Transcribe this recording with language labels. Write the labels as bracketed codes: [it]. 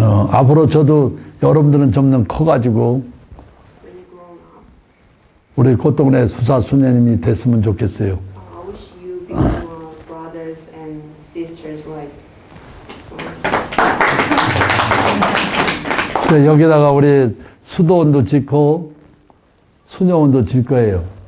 [ko] 앞으로 저도 여러분들은 점점 커가지고 우리 고동네 수사 수녀님이 됐으면 좋겠어요. [en] I wish you become brothers and sisters like. [ko] 여기다가 우리 수도원도 짓고 수녀원도 짓 거예요.